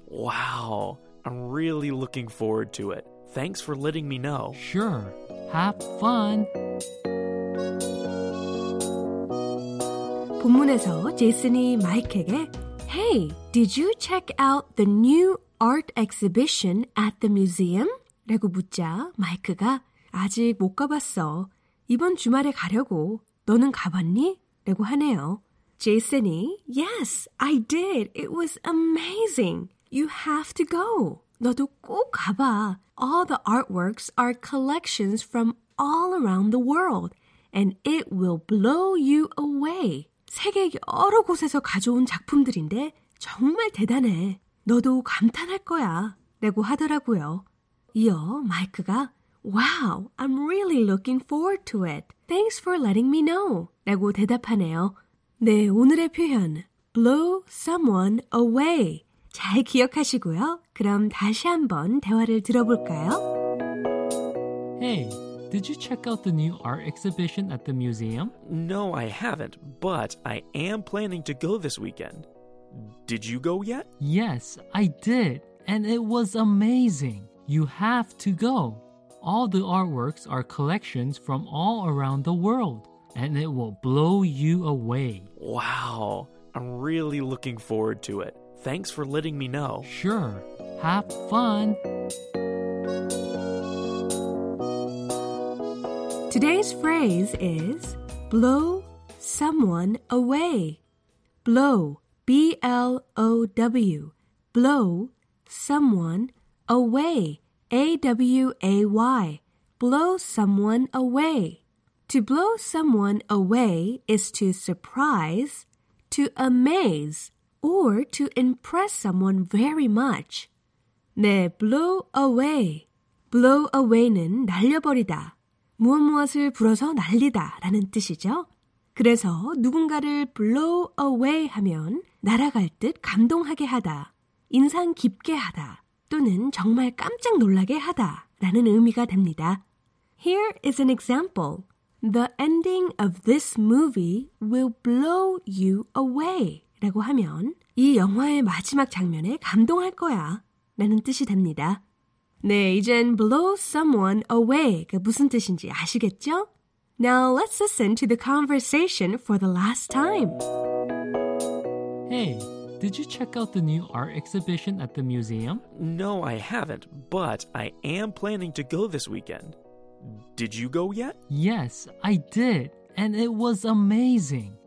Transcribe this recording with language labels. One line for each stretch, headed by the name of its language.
English: Wow, I'm really looking forward to it. Thanks for letting me know. Sure, have fun.
Korean: 본문에서 제이슨이 마이크에게
English: Hey, did you check out the new art exhibition at the museum?
Korean: 라고 묻자 마이크가 아직 못 가봤어. 이번 주말에 가려고. 너는 가봤니? 라고 하네요.
English: 제이슨이 Yes, I did. It was amazing. You have to go.
Korean: 너도 꼭 가봐.
English: All the artworks are collections from all around the world. And it will blow you away.
Korean: 세계 여러 곳에서 가져온 작품들인데 정말 대단해. 너도 감탄할 거야. 라고 하더라고요. 이어 마이크가
English: Wow, I'm really looking forward to it. Thanks for letting me know.
Korean: 라고 대답하네요. 네, 오늘의 표현.
English: Blow someone away.
Korean: 잘 기억하시고요. 그럼 다시 한번 대화를 들어볼까요?
English: Hey, did you check out the new art exhibition at the museum? No, I haven't, but I am planning to go this weekend. Did you go yet? Yes, I did, and it was amazing. You have to go. All the artworks are collections from all around the world, and it will blow you away. Wow, I'm really looking forward to it. Thanks for letting me know. Sure. Have fun. Today's phrase is blow someone away. Blow, B-L-O-W. Blow someone away, A-W-A-Y. Blow someone away. To blow someone away is to surprise, to amaze, or to impress someone very much. 네, blow away.
Korean: Blow away는 날려버리다, 무엇무엇을 불어서 날리다 라는 뜻이죠. 그래서 누군가를 blow away 하면 날아갈 듯 감동하게 하다, 인상 깊게 하다, 또는 정말 깜짝 놀라게 하다 라는 의미가 됩니다.
English: Here is an example. The ending of this movie will blow you away.
Korean: 라고 하면 이 영화의 마지막 장면에 감동할 거야 라는 뜻이 됩니다. 네, 이젠 blow someone away 그 무슨 뜻인지 아시겠죠?
English: Now let's listen to the conversation for the last time. Hey, did you check out the new art exhibition at the museum? No, I haven't, but I am planning to go this weekend. Did you go yet? Yes, I did, and it was amazing.